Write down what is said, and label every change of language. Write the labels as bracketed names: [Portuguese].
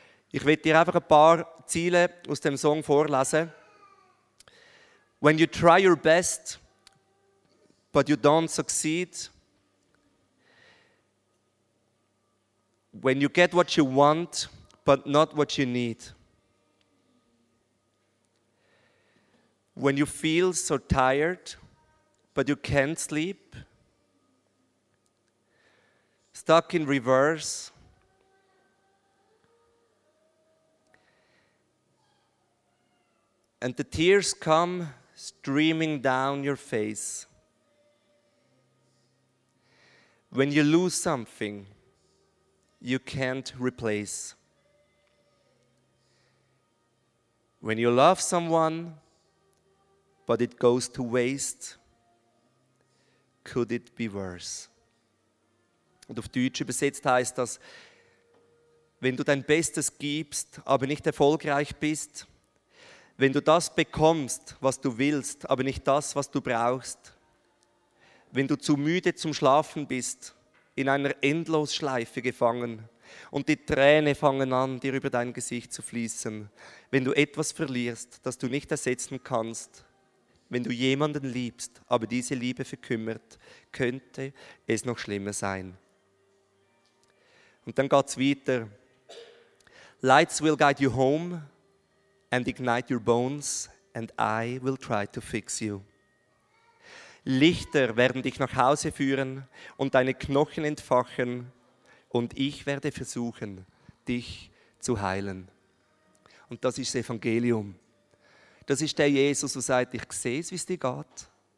[German] Ich will dir einfach ein paar Ziele aus dem Song vorlesen. [English] When you try your best, but you don't succeed. When you get what you want, but not what you need. When you feel so tired, but you can't sleep. Stuck in reverse. And the tears come streaming down your face. When you lose something you can't replace. When you love someone, but it goes to waste, could it be worse? [German] Und auf Deutsch übersetzt heißt das, wenn du dein Bestes gibst, aber nicht erfolgreich bist, wenn du das bekommst, was du willst, aber nicht das, was du brauchst, wenn du zu müde zum Schlafen bist, in einer Endlosschleife gefangen und die Tränen fangen an, dir über dein Gesicht zu fließen. Wenn du etwas verlierst, das du nicht ersetzen kannst, wenn du jemanden liebst, aber diese Liebe verkümmert, könnte es noch schlimmer sein. Und dann geht es weiter. [English] Lights will guide you home and ignite your bones and I will try to fix you. [German] Lichter werden dich nach Hause führen und deine Knochen entfachen und ich werde versuchen, dich zu heilen. Und das ist das Evangelium. Das ist der Jesus, der sagt, ich sehe es, wie es dir geht.